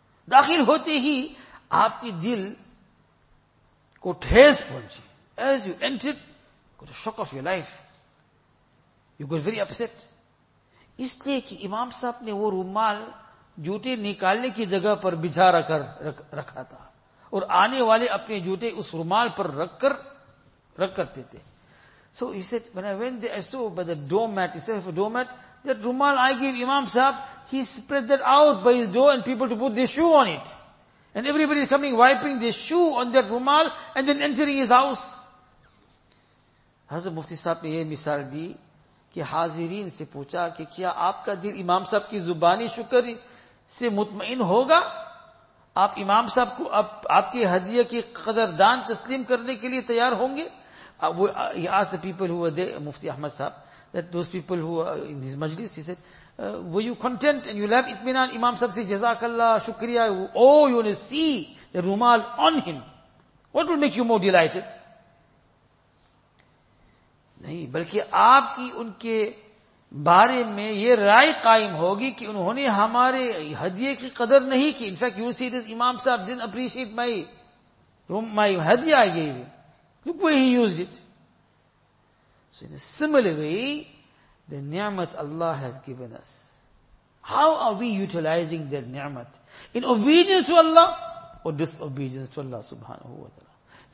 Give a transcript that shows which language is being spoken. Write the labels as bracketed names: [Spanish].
[Urdu] داخل ہوتے ہی آپ کی دل کو ٹھیس پہنچی. [English] As you entered, you got a shock of your life. You got very upset. [Urdu] اس لیے کہ امام صاحب نے وہ رومال جوتے نکالنے کی جگہ پر بچھا رکھا تھا. اور آنے والے اپنے جوتے اس رومال پر رکھ کر دیتے. [English] So he said, when I went there, I saw by the doormat, instead of a doormat, that رومال I gave Imam Sahib, he spread that out by his door and people to put their shoe on it. And everybody is coming, wiping their shoe on that رومال and then entering his house. [Urdu] حضرت مفتی صاحب نے یہ مثال دی کہ حاضرین سے پوچھا کہ کیا آپ کا دل امام صاحب کی زبانی شکر سے مطمئن ہوگا؟ آپ امام صاحب کو آپ کی ہدیہ کی قدردان تسلیم کرنے کے لئے تیار ہوں گے؟ [English] He asked the people who were there, Mufti Ahmed Sahib, that those people who are in his majlis, he said, were you content and you left itminan? Imam Sahib said, Jazakallah, Shukriya. Oh, you want to see the rumal on him. What will make you more delighted? [Urdu] نہیں, بلکہ آپ کی ان کے بارے میں یہ رائے قائم ہوگی کہ انہوں نے ہمارے ہدیے کی قدر نہیں کی. [English] In fact, you see this, Imam Sahib didn't appreciate my ہدیہ I gave him. Look where he used it. So in a similar way, the ni'mat Allah has given us. How are we utilizing that ni'mat? In obedience to Allah or disobedience to Allah subhanahu wa ta'ala?